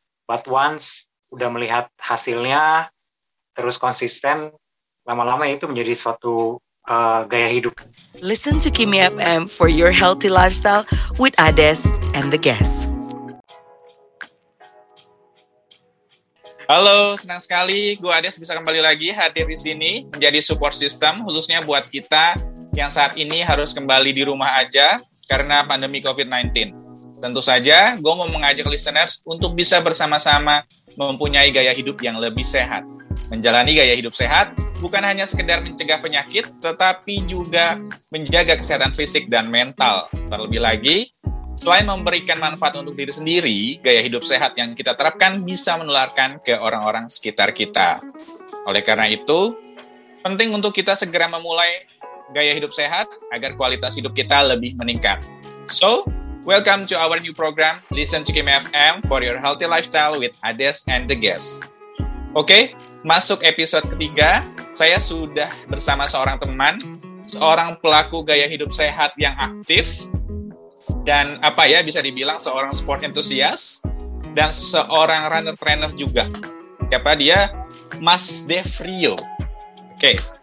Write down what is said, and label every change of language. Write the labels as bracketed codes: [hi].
[en] But once [id] udah melihat hasilnya, terus konsisten, lama-lama itu menjadi suatu gaya hidup. [en] Listen to Kimi FM for your healthy lifestyle with Ades and the guests. [id] Halo, senang sekali gue Ades bisa kembali lagi hadir di sini menjadi support system khususnya buat kita yang saat ini harus kembali di rumah aja karena pandemi COVID-19. Tentu saja, gue mau mengajak listeners untuk bisa bersama-sama mempunyai gaya hidup yang lebih sehat. Menjalani gaya hidup sehat bukan hanya sekedar mencegah penyakit, tetapi juga menjaga kesehatan fisik dan mental. Terlebih lagi, selain memberikan manfaat untuk diri sendiri, gaya hidup sehat yang kita terapkan bisa menularkan ke orang-orang sekitar kita. Oleh karena itu, penting untuk kita segera memulai gaya hidup sehat agar kualitas hidup kita lebih meningkat. [en] So, welcome to our new program, Listen to Kim FM for your healthy lifestyle with Ades and the guests. [id] Okay, masuk episode ketiga, saya sudah bersama seorang teman, seorang pelaku gaya hidup sehat yang aktif, dan apa ya, bisa dibilang seorang sport enthusiast, dan seorang runner trainer juga. Siapa dia? Mas Devrio. Oke.